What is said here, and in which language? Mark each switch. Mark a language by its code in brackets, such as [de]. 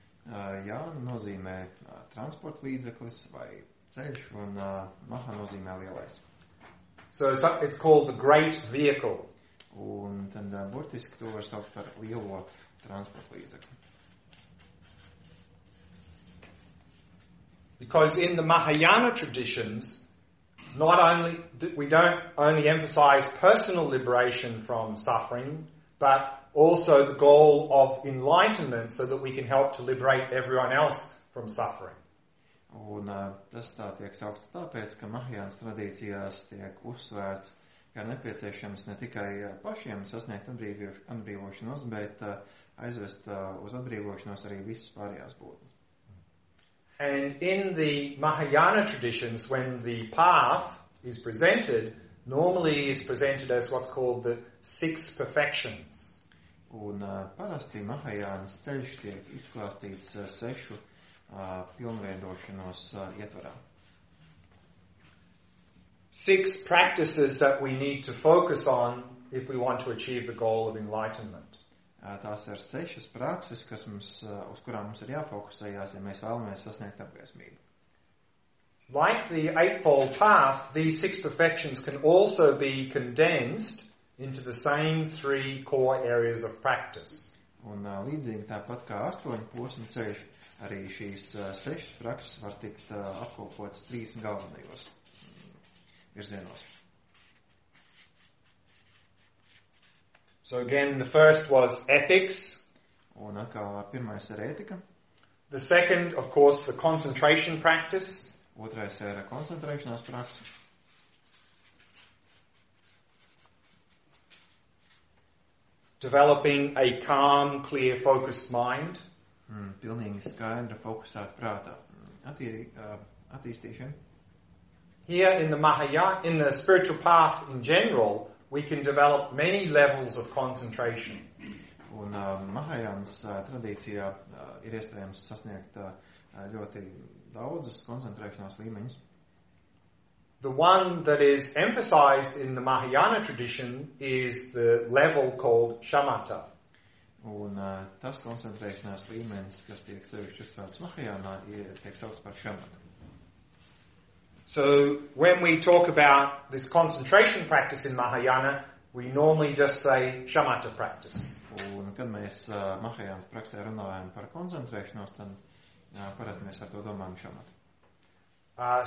[lv] Yana nozīmē transporta līdzeklis vai ceļš, un Maha nozīmē lielais. [en] So it's called the great vehicle. [lv] Un tad burtiski to var saukt par lielo transporta līdzekli. [en] Because in the Mahayana traditions, not only we don't only emphasize personal liberation from suffering, but also the goal of enlightenment so that we can help to liberate everyone else from suffering. [lv] Un tas tā tiek saukts tāpēc, ka Mahayana tradīcijās tiek uzsvērts, ka ir nepieciešams ne tikai pašiem sasniegt atbrīvošanos, bet aizvest uz atbrīvošanos arī visas pārējās būtnes. [en] And in the Mahayana traditions, when the path is presented, normally it's presented as what's called the six perfections. [lv] Un parasti Mahayānas ceļš tiek izklāstīts sešu pilnveidošanos ietvarā. [en] Six practices that we need to focus on if we want to achieve the goal of enlightenment. [lv] Tās ir sešas prakses, kas mums, uz kurām mums ir jāfokusējās, ja mēs vēlamies sasniegt apgaismību. [en] Like the Eightfold Path, these six perfections can also be condensed into the same three core areas of practice. [lv] Un līdzīgi tāpat kā astoņu posmu ceļš, arī šīs sešas prakses var tikt apkopotas trīs galvenajos virzienos. [en] So again, the first was ethics. [lv] Un atkal pirmais ir ētika. [en] The second, of course, the concentration practice. [lv] Otrais ir koncentrēšanās praksa. [en] Developing a calm, clear, focused mind. [lv] Pilnīgi skaidra fokusēta prāta attīstīšana. [en] Here in the Mahayana, in the spiritual path in general, we can develop many levels of concentration. [lv] Un Mahayānas tradīcijā ir iespējams sasniegt ļoti daudzas koncentrēšanās līmeņus. [en] The one that is emphasized in the Mahayana tradition is the level called shamatha. [lv] Un tas koncentrēšanās līmenis, kas tiek sevišķi uzsvērts Mahayānā, tiek saukts par shamatha. [en] So when we talk about this concentration practice in Mahayana, we normally just say shamatha practice. [lv] Un kad mēs Mahayānas praksē runājam par koncentrēšanos, tad parasti mēs ar to domājam shamatha.